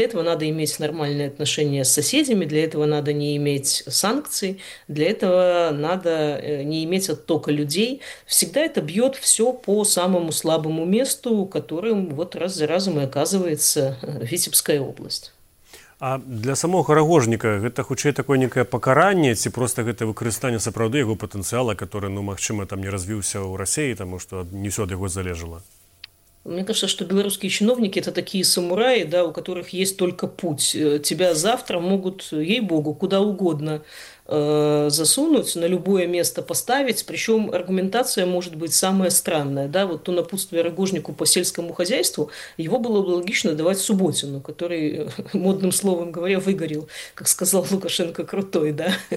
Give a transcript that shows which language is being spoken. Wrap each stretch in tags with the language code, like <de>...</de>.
<ru>для этого надо иметь нормальные отношения с соседями, для этого надо не иметь санкций, для этого надо не иметь оттока людей. Всегда это бьет все по самому слабому месту, которым вот раз за разом и оказывается Витебская область.</ru> <be>А для самого рагожніка гэта хутчэй такое некае пакаранне ці просто гэта выкарыстанне сапраўды яго патэнцыяла, который, ну, магчыма, там не развіўся ў Расіі, таму што не ўсё ад яго залежала.</be> <ru>Мне кажется, что белорусские чиновники – это такие самураи, да, у которых есть только путь. Тебя завтра могут, ей-богу, куда угодно засунуть, на любое место поставить. Причем аргументация может быть самая странная. Да? Вот то напутствие Рогожнику по сельскому хозяйству, его было бы логично давать Субботину, который, модным словом говоря, выгорел, как сказал Лукашенко, крутой. Да?</ru>